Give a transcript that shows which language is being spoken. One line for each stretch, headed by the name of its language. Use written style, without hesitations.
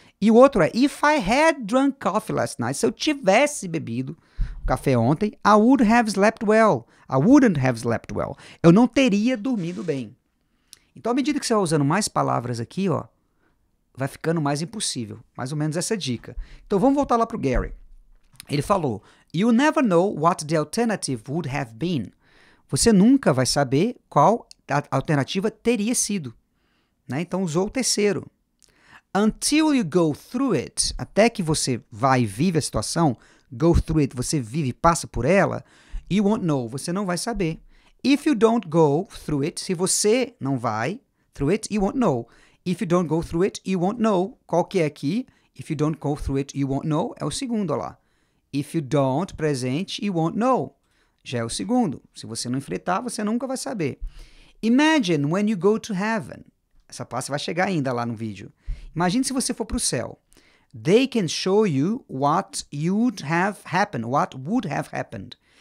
Portuguese: E o outro é,
English: if I had drunk coffee last night,
Portuguese: se eu tivesse bebido café ontem,
English: I would have slept well. I wouldn't have slept well.
Portuguese: Eu não teria dormido bem. Então, à medida que você vai usando mais palavras aqui, ó, vai ficando mais impossível. Mais ou menos essa dica. Então, vamos voltar lá pro Gary. Ele falou,
English: you never know what the alternative would have been.
Portuguese: Você nunca vai saber qual a alternativa teria sido. Né? Então, usou o terceiro.
English: Until you go through it,
Portuguese: até que você vai e vive a situação,
English: go through it,
Portuguese: você vive e passa por ela,
English: you won't know,
Portuguese: você não vai saber.
English: If you don't go through it,
Portuguese: se você não vai
English: through it, you won't know. If you don't go through it, you won't know.
Portuguese: Qual que é aqui?
English: If you don't go through it, you won't know.
Portuguese: É o segundo, lá.
English: If you don't,
Portuguese: presente,
English: you won't know.
Portuguese: Já é o segundo. Se você não enfrentar, você nunca vai saber.
English: Imagine when you go to heaven.
Portuguese: Essa parte vai chegar ainda lá no vídeo. Imagine se você for para o céu.
English: They can show you what you'd have happened, what would have happened.